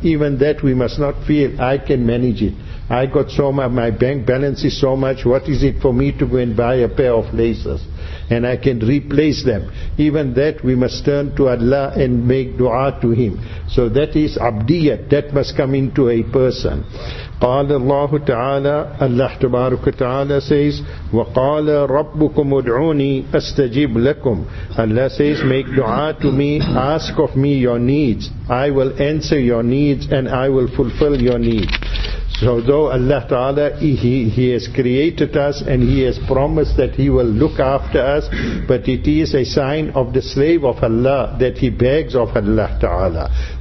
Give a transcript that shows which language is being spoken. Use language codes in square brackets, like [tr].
[en] Even that we must not feel, I can manage it. I got so much, my bank balance is so much, what is it for me to go and buy a pair of laces? And I can replace them. Even that we must turn to Allah and make dua to Him. So that is abdiyat, that must come into a person. [ar] قال الله تعالى الله تبارك وتعالى [en] says [ar] وقال ربكم ادعوني استجيب لكم. [en] Allah says, make dua to me, ask of me your needs, I will answer your needs and I will fulfill your needs. So though Allah Ta'ala, he has created us and He has promised that He will look after us, but it is a sign of the slave of Allah that he begs of Allah Ta'ala.